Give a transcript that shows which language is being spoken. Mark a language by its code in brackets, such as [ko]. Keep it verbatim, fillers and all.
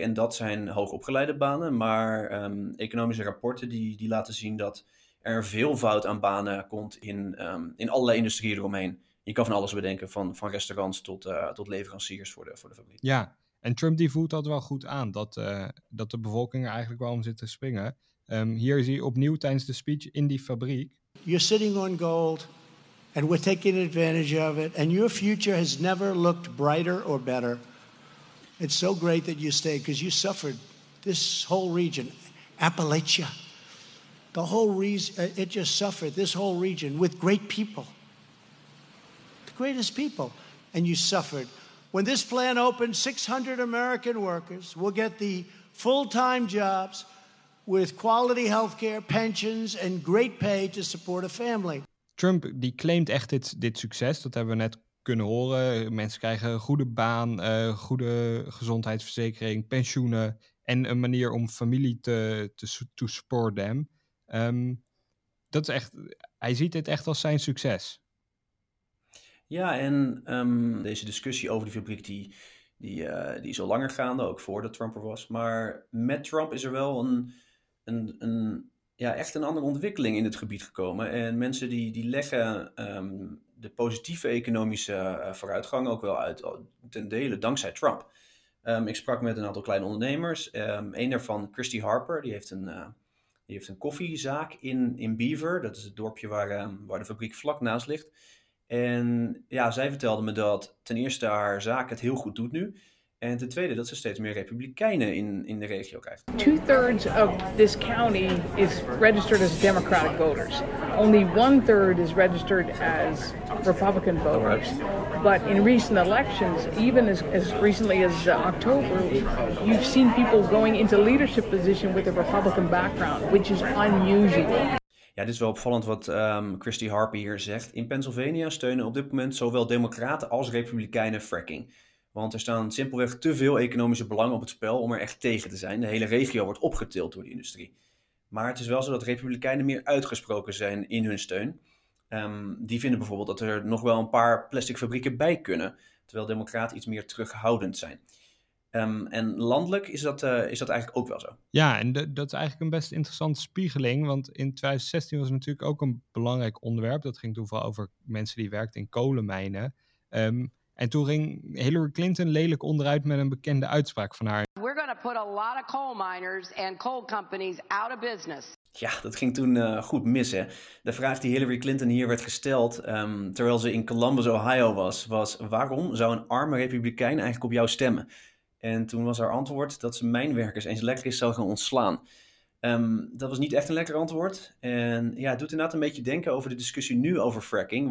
[nl] En dat zijn hoogopgeleide banen. Maar um, economische rapporten die, die laten zien dat er een veelvoud aan banen komt in, um, in allerlei industrieën eromheen. Je kan van alles bedenken, van, van restaurants tot, uh, tot leveranciers voor de, voor de fabriek. Ja, en Trump die voelt dat wel goed aan. Dat, uh, dat de bevolking er eigenlijk wel om zit te springen. Um, hier zie je opnieuw tijdens de speech in die fabriek. [en] You're sitting on gold. And we're taking advantage of it. And your future has never looked brighter or better. It's so great that you stayed because you suffered this whole region. Appalachia. The whole region, it just suffered this whole region with great people. The greatest people. And you suffered. When this plant opens, six hundred American workers will get the full-time jobs with quality health care, pensions, and great pay to support a family. [nl] Trump die claimt echt dit, dit succes, dat hebben we net kunnen horen. Mensen krijgen een goede baan, uh, goede gezondheidsverzekering, pensioenen en een manier om familie te, te, te supporten. Um, dat is echt, hij ziet dit echt als zijn succes. Ja, en um, deze discussie over die fabriek die, die, uh, die is al langer gaande, ook voordat Trump er was. Maar met Trump is er wel een... een, een Ja, echt een andere ontwikkeling in het gebied gekomen. En mensen die, die leggen um, de positieve economische uh, vooruitgang ook wel uit, ten dele dankzij Trump. Um, ik sprak met een aantal kleine ondernemers. Um, een daarvan, Christy Harper, die heeft een, uh, die heeft een koffiezaak in, in Beaver. Dat is het dorpje waar, uh, waar de fabriek vlak naast ligt. En ja, zij vertelde me dat ten eerste haar zaak het heel goed doet nu. En ten tweede dat ze steeds meer republikeinen in, in de regio krijgen. [en] Two-thirds of this county is registered as Democratic voters. Only one-third is registered as Republican voters. But in recent elections, even as, as recently as uh, October, you've seen people going into leadership position with a Republican background, which is unusual. [nl] Ja, dit is wel opvallend wat um, Christy Harper hier zegt. In Pennsylvania steunen op dit moment zowel Democraten als Republikeinen fracking. Want er staan simpelweg te veel economische belangen op het spel om er echt tegen te zijn. De hele regio wordt opgetild door de industrie. Maar het is wel zo dat Republikeinen meer uitgesproken zijn in hun steun. Um, die vinden bijvoorbeeld dat er nog wel een paar plastic fabrieken bij kunnen. Terwijl Democraten iets meer terughoudend zijn. Um, en landelijk is dat, uh, is dat eigenlijk ook wel zo. Ja, en de, dat is eigenlijk een best interessante spiegeling. Want in twintig zestien was het natuurlijk ook een belangrijk onderwerp. Dat ging toen vooral over mensen die werkten in kolenmijnen. Um, En toen ging Hillary Clinton lelijk onderuit met een bekende uitspraak van haar. [en] We're going to put a lot of coal miners and coal companies out of business. [nl] Ja, dat ging toen uh, goed mis, hè. De vraag die Hillary Clinton hier werd gesteld, um, terwijl ze in Columbus, Ohio was, was: waarom zou een arme republikein eigenlijk op jou stemmen? En toen was haar antwoord dat ze mijnwerkers eens lekker is zou gaan ontslaan. Um, dat was niet echt een lekker antwoord. En ja, het doet inderdaad een beetje denken over de discussie nu over fracking.